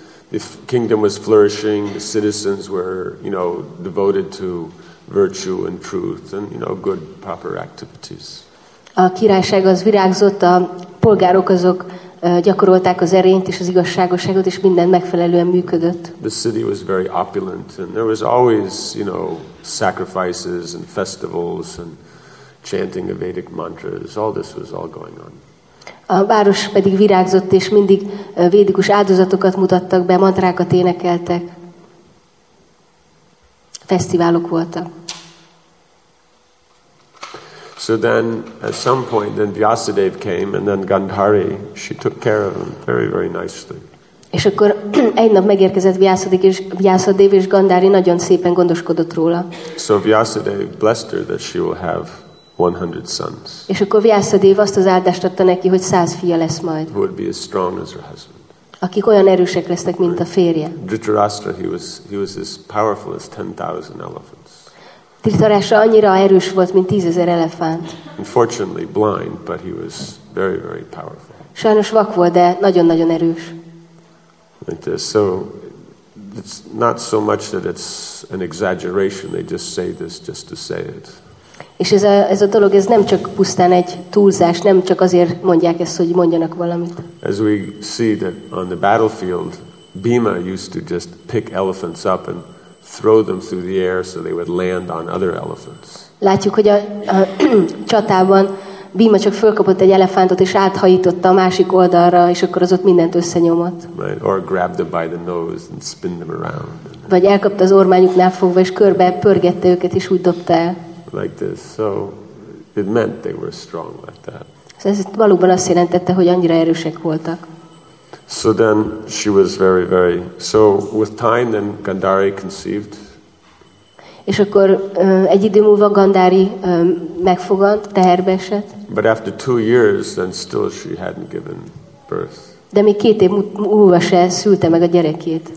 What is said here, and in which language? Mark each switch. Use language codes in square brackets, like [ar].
[en] The kingdom was flourishing, the citizens were, you know, devoted to virtue and truth and, you know, good proper activities. [hu] A királyság az virágzott, a polgárok azok gyakorolták az erényt és az igazságosságot, és minden megfelelően működött. [en] The city was very opulent and there was always, you know, sacrifices and festivals and chanting of Vedic mantras. All this was all going on. [hu] A város pedig virágzott, és mindig védikus áldozatokat mutattak be, mantrákat énekeltek. Fesztiválok voltak. [en] So then at some point then Vyasadeva came and then Gandhari, she took care of him very, very nicely. [hu] És akkor egy nap megérkezett Vyasadeva, és Gandhari nagyon szépen gondoskodott róla. [en] So Vyasadeva blessed her that she will have 100 sons. [hu] És akkor Vyasadeva azt az áldást adta neki, hogy 100 fia lesz majd. [en] Who would be as strong as her husband. [hu] Akik olyan erősek lesznek, mint a férje. [en] Dhritarashtra, he was as powerful as 10,000 elephants. [hu] Dhritarashtra annyira erős volt, mint 10,000 elefánt. [en] Unfortunately blind, but he was very, very powerful. [hu] Sajnos vak volt, de nagyon-nagyon erős. [en] So it's not so much that it's an exaggeration, they just say this just to say it. [hu] És ez a dolog, ez nem csak pusztán egy túlzás, nem csak azért mondják ezt, hogy mondjanak valamit. [en] As we see that on the battlefield, Bhima used to just pick elephants up and throw them through the air so they would land on other elephants. [hu] Látjuk, hogy a csatában Bhima csak fölkapott egy elefántot és áthajította a másik oldalra, és akkor az ott mindent összenyomott. [en] Right. Or grabbed them by the nose and spin them around. [hu] Vagy elkapta az ormányuknál fogva, és körbe pörgette őket, és úgy dobta el. [en] Like this, so it meant they were strong like that. So [hu] ez valóban azt jelentette, hogy annyira erősek voltak. [en] So then she was very, very. So with time, then Gandhari conceived. [hu] És akkor egy idő múlva Gandhari megfogant, teherbe esett. [en] But after 2 years, then still she hadn't given birth. [hu] De még 2 év múlva se szülte meg a gyerekét.